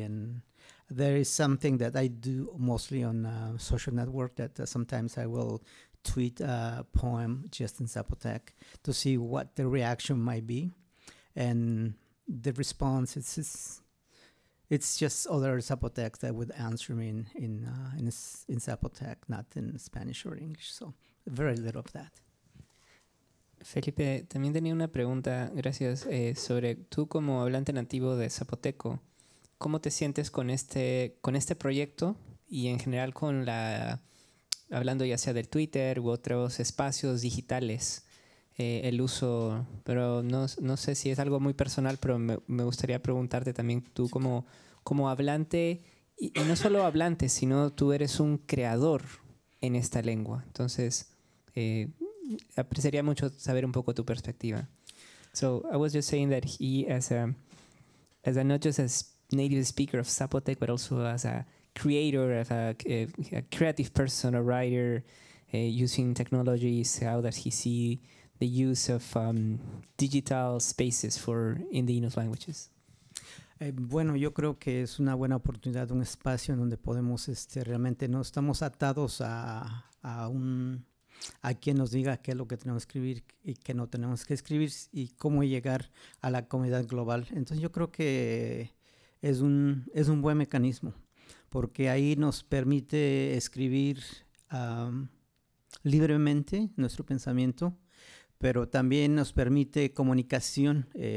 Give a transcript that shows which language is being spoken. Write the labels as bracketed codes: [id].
[en] And there is something that I do mostly on social network, that sometimes I will tweet a poem just in Zapotec to see what the reaction might be. And the response, it's just other Zapotec that would answer me in Zapotec, not in Spanish or English. So very little of that. [es] Felipe, también tenía una pregunta, gracias, sobre tú como hablante nativo de zapoteco, ¿cómo te sientes con este proyecto y en general con la, hablando ya sea del Twitter u otros espacios digitales, el uso, pero no sé si es algo muy personal, pero me gustaría preguntarte también tú como hablante, y no solo hablante, sino tú eres un creador en esta lengua, entonces... apreciaría mucho saber un poco tu perspectiva. [en] So I was just saying that he as a not just as native speaker of Zapotec, but also as a creator, as a creative person, a writer, using technologies, how that he see the use of digital spaces for in the Innos languages. [es] Bueno, yo creo que es una buena oportunidad, un espacio en donde podemos realmente no estamos atados a quien nos diga qué es lo que tenemos que escribir y qué no tenemos que escribir y cómo llegar a la comunidad global. Entonces yo creo que es un buen mecanismo porque ahí nos permite escribir libremente nuestro pensamiento, pero también nos permite comunicación.